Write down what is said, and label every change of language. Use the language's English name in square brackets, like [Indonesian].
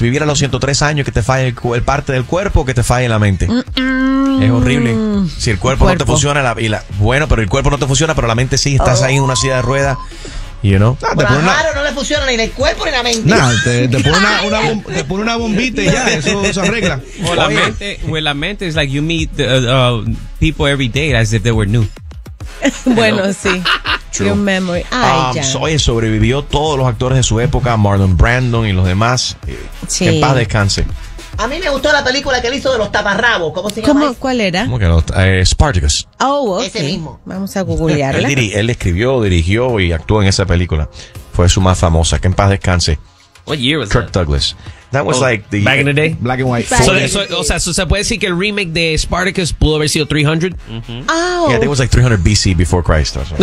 [Spanish] ¿Vivir a los 103 años que te falle el parte del cuerpo o que te falle la mente? Es horrible. Si el cuerpo, no te funciona, bueno, pero el cuerpo no te funciona, pero la mente sí, estás ahí en una silla de ruedas. [English] You know? [Spanish] Claro, no le funciona ni el cuerpo ni la mente. Nah, te pone una bombita y ya, eso se arregla. [English] Well, [Spanish] la mente es [English] like you meet people every day as if they were new. [Spanish] Bueno, sí. [English] True. Your memory. [Spanish] Oye, sobrevivió todos los actores de su época, Marlon Brando y los demás. Sí. En paz descanse. A mí me gustó la película que él hizo de los taparrabos. ¿Cómo se llama? ¿Cuál era? ¿Cómo que los Spartacus? [English] Oh, okay. [Spanish] Ese mismo. Vamos a googlearla. Él escribió, dirigió y actuó en esa película. Fue su más famosa. Que en paz descanse. [English] What year was Kirk Douglas? That was like the back in the day, black and white. [Spanish] So se puede decir que el remake de Spartacus pudo haber sido 300. Mm-hmm. Oh. [English] Yeah, I think it was like 300 BC before Christ.